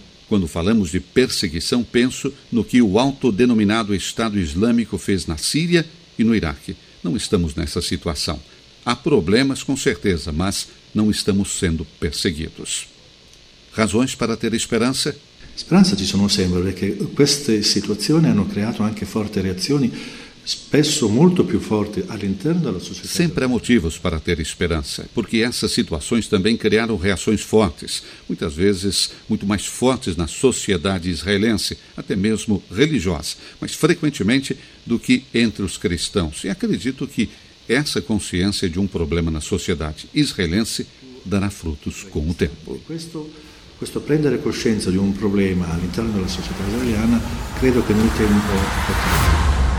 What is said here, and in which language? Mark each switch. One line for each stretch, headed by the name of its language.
Portuguese: Quando falamos de perseguição, penso no que o autodenominado Estado Islâmico fez na Síria e no Iraque. Não estamos nessa situação. Há problemas, com certeza, mas não estamos sendo perseguidos. Razões para ter esperança?
Italian: Speranza ci sono sempre, perché queste situazioni hanno creato anche forti reazioni, spesso molto più forti all'interno della società.
Portuguese: Sempre há motivos para ter esperança, porque essas situações também criaram reações fortes, muitas vezes muito mais fortes na sociedade israelense, até mesmo religiosa, mas frequentemente do que entre os cristãos. E acredito que essa consciência de um problema na sociedade israelense dará frutos com o tempo.
Italian: Questo prendere coscienza di un problema all'interno della società israeliana, credo che nel tempo...